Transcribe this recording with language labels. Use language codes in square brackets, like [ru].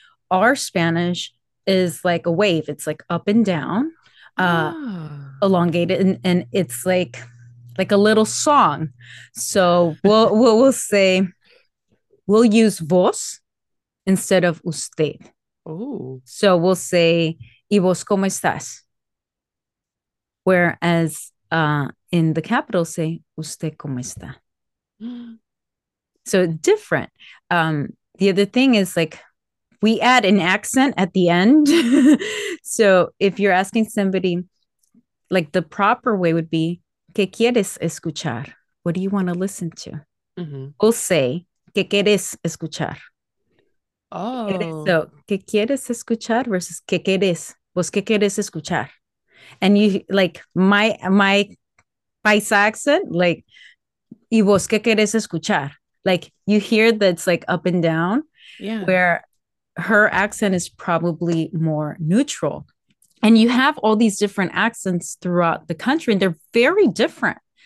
[en] Our Spanish is like a wave. It's like up and down, elongated, and it's like a little song. So we'll say, we'll use vos instead of usted. Oh, so we'll say, [es] ¿y vos cómo estás? [en] Whereas in the capital, say, [es] ¿usted cómo está? [en] So different. The other thing is, like, we add an accent at the end. So if you're asking somebody, like, the proper way would be, [es] ¿qué quieres escuchar? [en] What do you want to listen to? Mm-hmm. We'll say, [es] ¿qué quieres escuchar? [en] Oh, [es] so que quieres escuchar versus que quieres, pues que quieres escuchar. [en] And you, like, my paisa accent, like, [es] y vos que quieres escuchar, [en] like, you hear that's like up and down, yeah, where her accent is probably more neutral. And you have all these different accents throughout the country, and they're very different.